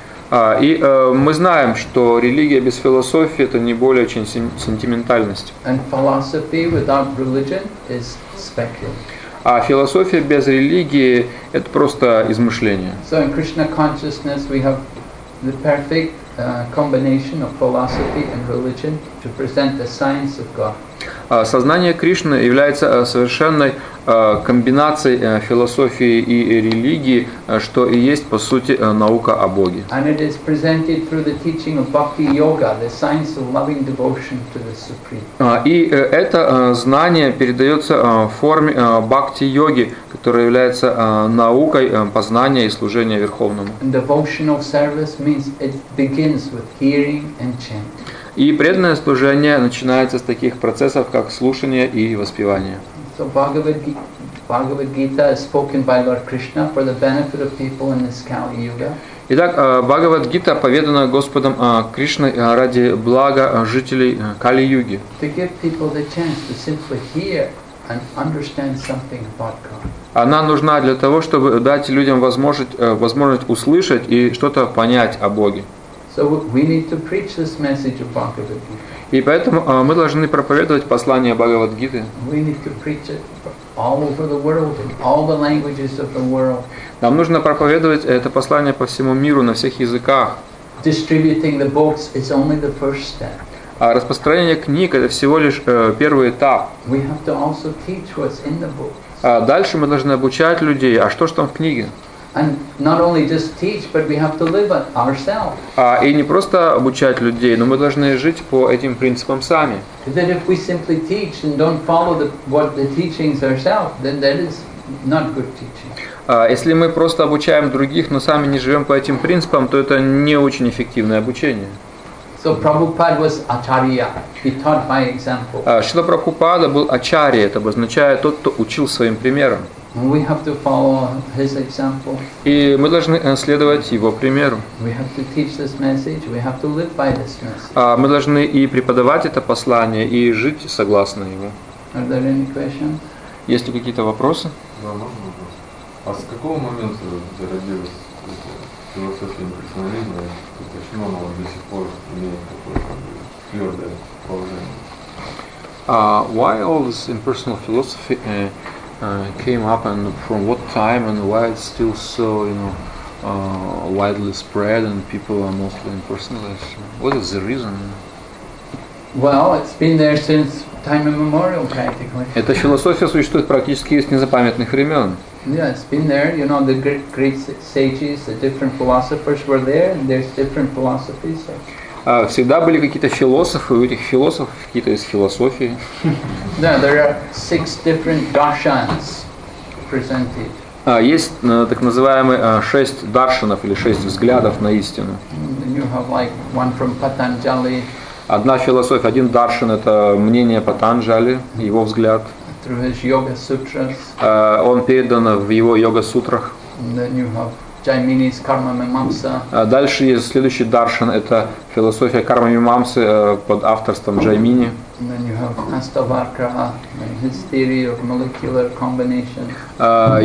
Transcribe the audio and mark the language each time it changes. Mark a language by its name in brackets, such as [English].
[Russian] Мы знаем, что религия без философии — это не более чем сентиментальность. [English] And philosophy without religion is speculation. [Russian] А философия без религии — это просто измышление. [English] So in Krishna consciousness we have the perfect combination of philosophy and religion to present the science of God. [Russian] Сознание Кришны является совершенной комбинацией философии и религии, что и есть, по сути, наука о Боге. [English] And it is presented through the teaching of Bhakti Yoga, the science of loving devotion to the Supreme. [Russian] И это знание передается в форме Бхакти Йоги, которая является наукой познания и служения Верховному. [English] And devotional service means it begins with hearing and chanting. [Russian] И преданное служение начинается с таких процессов, как слушание и воспевание. [English] So Bhagavad-gita is spoken by Lord Krishna for the benefit of people in this Kali Yuga. [Russian] Итак, Бхагавад-гита поведана Господом Кришной ради блага жителей Кали-юги. [English] To give people the chance to simply hear and understand something about God. [Russian] Она нужна для того, чтобы дать людям возможность услышать и что-то понять о Боге. [English] So we need to preach this message of Bhagavad-gita. [Russian] И поэтому мы должны проповедовать послание Бхагавад-гиты. [English] We need to preach it all over the world, in all the languages of the world. [Russian] Нам нужно проповедовать это послание по всему миру, на всех языках. [English] Distributing the books is only the first step. [Russian] А распространение книг — это всего лишь первый этап. [English] We have to also teach what's in the books. [Russian] Дальше мы должны обучать людей, а что ж там в книге? [English] And not only just teach, but we have to live it ourselves. [Russian] И не просто обучать людей, но мы должны жить по этим принципам сами. [English] That if we simply teach and don't follow what the teachings ourselves, then that is not good teaching. [Russian] Если мы просто обучаем других, но сами не живем по этим принципам, то это не очень эффективное обучение. [English] So Prabhupada was acharya. He taught by example. [Russian] Шрила Прабхупада был ачарья. Это обозначает тот, кто учил своим примером. [English] We have to follow his example. [Russian] И мы должны следовать его примеру. [English] We have to teach this message. We have to live by this message. [Russian] Мы должны и преподавать это послание, и жить согласно ему. [English] Are there any questions? [Russian] Есть ли какие-то вопросы? Да, можно вопрос. А с какого момента зародилась философия имперсонализма? Почему она до сих пор имеет такое твердое положение? [English] Why all this impersonal philosophy? Came up, and from what time, and why it's still so, you know, widely spread, and people are mostly impersonalist. What is the reason? Well, it's been there since time immemorial, practically. [Russian] Эта философия существует практически с незапамятных времен. [English] Yeah, it's been there. You know, the great sages, the different philosophers were there. And there's different philosophies. So. [Russian] Всегда были какие-то философы, у этих философов какие-то есть философии. [English] Да, there are six different darshans presented. [Russian] Есть так называемые шесть даршанов или шесть взглядов на истину. [English] You have like one from Patanjali. [Russian] Одна философия, один даршан — это мнение Патанджали, его взгляд. [English] Through his yoga sutras. [Russian] Он передан в его йога сутрах. [English] Then you have Jaimini's Karma Mimamsa. [Russian] Дальше есть следующий даршан — это философия Карма Мимамсы под авторством Джаймини. [English] Then you have Аштавакра, his theory of molecular combination.